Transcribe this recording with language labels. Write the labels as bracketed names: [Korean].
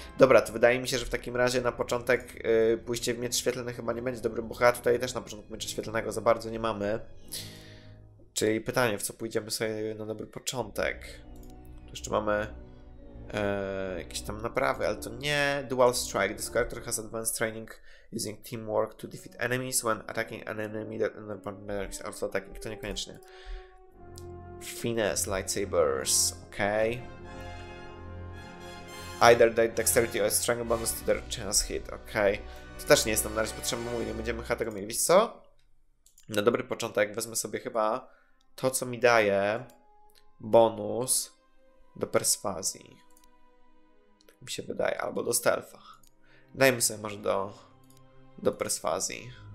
[Polish] Dobra, to wydaje mi się, że w takim razie na początek pójście w miecz świetlny chyba nie będzie dobry, bo chyba tutaj też na początku miecza świetlnego za bardzo nie mamy. Czyli pytanie, w co pójdziemy sobie na dobry początek? Tu jeszcze mamy jakieś tam naprawy, ale to nie. [English] Dual Strike. This character has advanced training using teamwork to defeat enemies when attacking an enemy that is also attacking. [Polish] To niekoniecznie. [English] Finesse, lightsabers, ok. Either the dexterity or strength bonus to their chance hit, ok. [Polish] To też nie jest nam na razie potrzebne, bo nie będziemy chyba tego mieli. Wiesz co? Na dobry początek wezmę sobie chyba to, co mi daje bonus do perswazji. Tak mi się wydaje, albo do stealtha. Dajmy sobie może do perswazji.